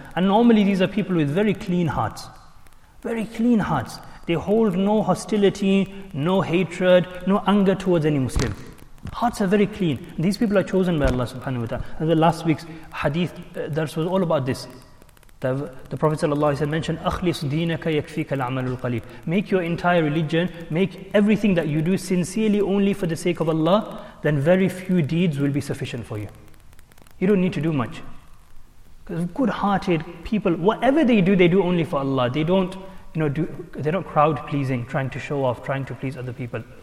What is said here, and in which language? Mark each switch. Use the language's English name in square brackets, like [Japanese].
[English] And normally these are people with very clean hearts. Very clean hearts. They hold no hostility, no hatred, no anger towards any Muslim. Hearts are very clean. These people are chosen by Allah subhanahu wa ta'ala. And the last week's hadith, that was all about this. The Prophet ﷺ mentioned, [Arabic] أخلص دينك يكفيك العمل القليل. [English] Make your entire religion, make everything that you do sincerely only for the sake of Allah, then very few deeds will be sufficient for you. You don't need to do much. Because good-hearted people, whatever they do only for Allah. They don't, you know, they're not crowd-pleasing, trying to show off, trying to please other people.